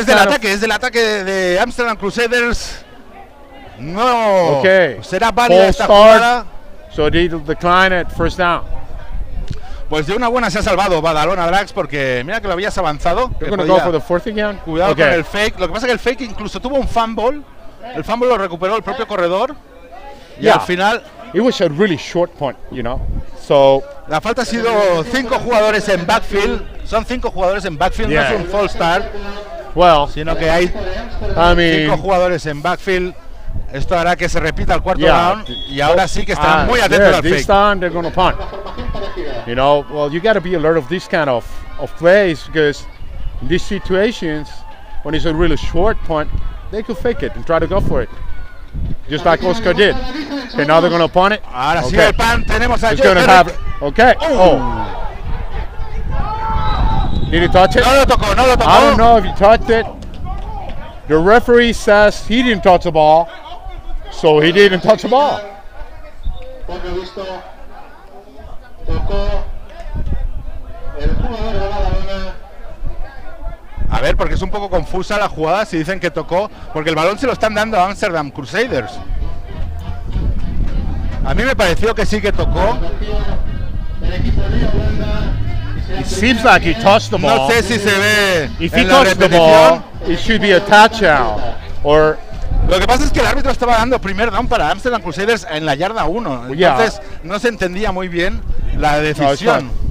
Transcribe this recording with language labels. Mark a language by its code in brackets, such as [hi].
[es] Es del ataque de Amsterdam Crusaders. No. [en] Okay. [es] Será válida esta jugada. [en] So they decline at first down. [es] Pues de una buena se ha salvado Badalona Drax, porque mira que lo habías avanzado. [en] Go for the fourth again. [es] Cuidado con el fake. Lo que pasa es que el fake incluso tuvo un fumble. El fumble lo recuperó el propio corredor. Y al final... [en] It was a really short point, you know. So, [es] la falta ha sido cinco jugadores en backfield. Son cinco jugadores en backfield, no es un false start. [en] Well, [es] sino que hay cinco jugadores en backfield. Esto hará que se repita el cuarto down. Y ahora sí que están muy atentos al fake. [en] This time they're going to punt. You know, well, you got to be alert of this kind of plays, because in these situations, when it's a really short punt, they could fake it and try to go for it, just like Oscar did. Okay, now they're going to punt it. [es] Ahora sí, el pan, tenemos a [en] Jay. Going to have it. Okay. Oh. Did he touch it? [es] No lo tocó. [en] I don't know if he touched it. The referee says he didn't touch the ball, so he didn't touch the ball. [es] tocó el jugador de Badalona. A ver, porque es un poco confusa la jugada si dicen que tocó, porque el balón se lo están dando a Amsterdam Crusaders. A mí me pareció que sí que tocó. [en] Seems like he touched the ball. [es] No sé si se ve. [en] If he touched the ball, it should be a touchdown. Or [es] lo que pasa es que el árbitro estaba dando primer down para Amsterdam Crusaders en la yarda 1. Entonces no se entendía muy bien la decisión.